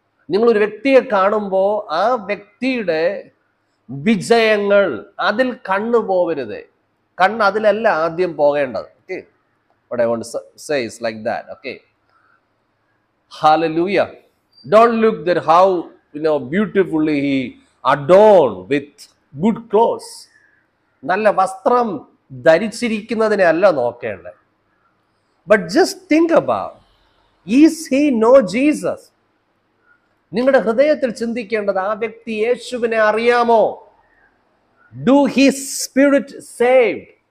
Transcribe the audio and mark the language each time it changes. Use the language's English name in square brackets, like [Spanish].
[Malayalam] നിങ്ങൾ ഒരു വ്യക്തിയെ കാണുമ്പോൾ ആ വ്യക്തിയുടെ വിജയങ്ങൾ അതിൽ കണ്ണു പോവരുത്, കണ്ണ് അതിലല്ല ആദ്യം പോകേണ്ടത്. [English] Okay, what I want to say is like that. Okay, hallelujah, don't look that how beautifully he adorned with good clothes. [Malayalam] നല്ല വസ്ത്രം ധരിച്ചിരിക്കുന്നതിനെ അല്ല നോക്കേണ്ടത്. [English] But just think about, is he know Jesus? [Malayalam] നിങ്ങളുടെ ഹൃദയത്തിൽ ചിന്തിക്കേണ്ടത് ആ വ്യക്തി യേശുവിനെ അറിയാമോ? [English] Do his spirit saved?